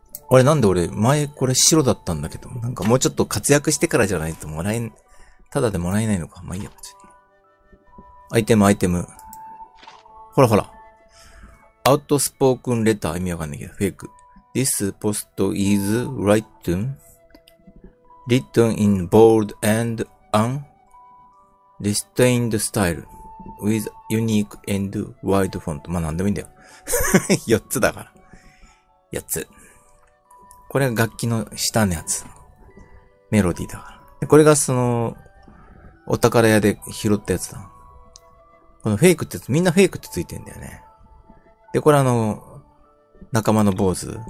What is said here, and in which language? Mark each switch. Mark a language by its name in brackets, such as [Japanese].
[Japanese] あれ、なんで俺、前これ白だったんだけど、なんかもうちょっと活躍してからじゃないともらえん、ただでもらえないのか。まあいいや、こっち。アイテム、アイテム。ほらほら。アウトスポークンレター意味わかんないけど、フェイク。 [English] This post is written in bold and unrestrained style with unique and wide font. [Japanese] まあ、なんでもいいんだよ。4つだから。4つ。これが楽器の下のやつ。メロディーだから。で、これがその、お宝屋で拾ったやつだ。このフェイクってやつ、みんなフェイクってついてんだよね。で、これあの、仲間の坊主。